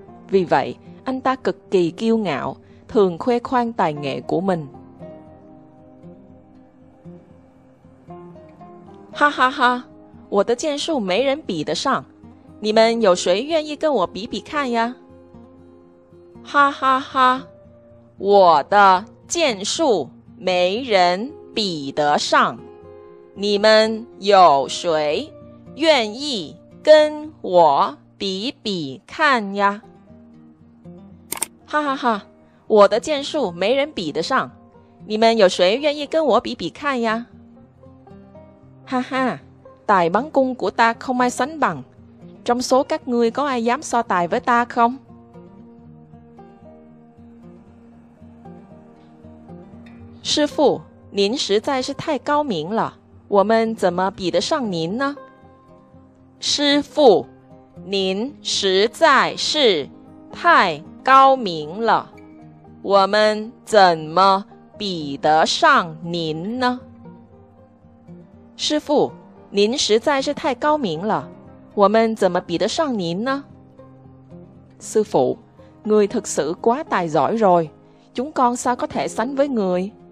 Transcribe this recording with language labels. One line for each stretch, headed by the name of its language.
Vietnamese: Vì vậy, anh ta cực kỳ kiêu ngạo, thường khoe khoang tài nghệ của mình.
Chinese: Ha ha ha, 我的剑术没人比得上，你们有谁愿意跟我比比看呀？ Ha ha ha, 我的剑术没人比得上。你们有谁愿意跟我比比看呀？ Ha ha ha, 我的剑术没人比得上。你们有谁愿意跟我比比看呀？
Vietnamese: Ha ha, tài bắn cung của ta không ai sánh bằng. Trong số các ngươi có ai dám so tài với ta không?
Chinese: Sư phụ, Nín 实在是太高明了。我们怎么比得上您呢? 师父, 您实在是太高明了。我们怎么比得上您呢? 师父, 您实在是太高明了。我们怎么比得上您呢?
Vietnamese: Sư phụ, người thực sự quá tài giỏi rồi. Chúng con sao có thể sánh với người?